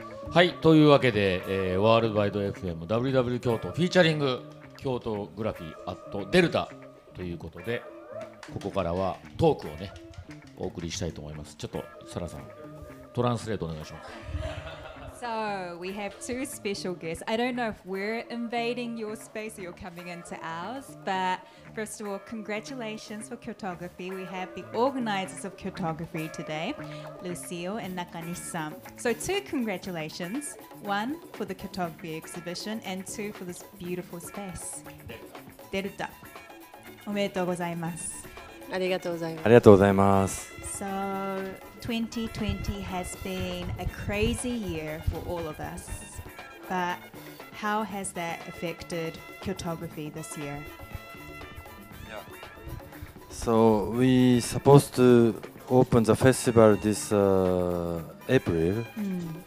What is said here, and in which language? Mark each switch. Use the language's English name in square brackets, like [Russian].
[Japanese] はい、というわけで、ワールドワイド FM WW 京都フィーチャリング京都グラフィーアットデルタということで、ここからはトークをねお送りしたいと思います。ちょっとサラさんトランスレートお願いします。 [English] So, we have two special guests. I don't know if we're invading your space or you're coming into ours, but first of all, congratulations for KYOTOGRAPHIE. We have the organizers of KYOTOGRAPHIE today, Lucille and Nakanishi-san. So, two congratulations. One for the KYOTOGRAPHIE exhibition and two for this beautiful space. Delta. [Japanese] おめでとうございます。ありがとうございます。ありがとうございます。 [English] So, 2020 has been a crazy year for all of us, but how has that affected KYOTOGRAPHIE this year? Yeah. So, we supposed to open the festival this April. Mm.